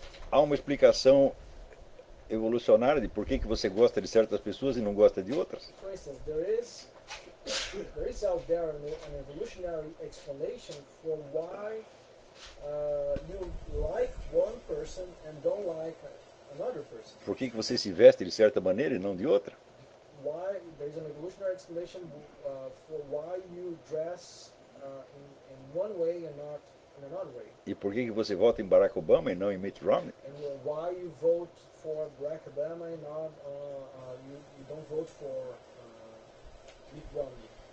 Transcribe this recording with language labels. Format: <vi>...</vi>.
<pt>Há uma explicação evolucionária de por que você gosta de certas pessoas e não gosta de outras?</pt> <en>For instance, there is out there an evolutionary explanation for why you like one person and don't like another person.</en> <pt>Por que você se veste de certa maneira e não de outra?</pt> <en>Why there is an evolutionary explanation for why you dress in one way and not in another way.</en> <pt>E por que você vota em Barack Obama e não em Mitt Romney?</pt> <en>And why you vote for Barack Obama and not you don't vote for Mitt Romney?</en>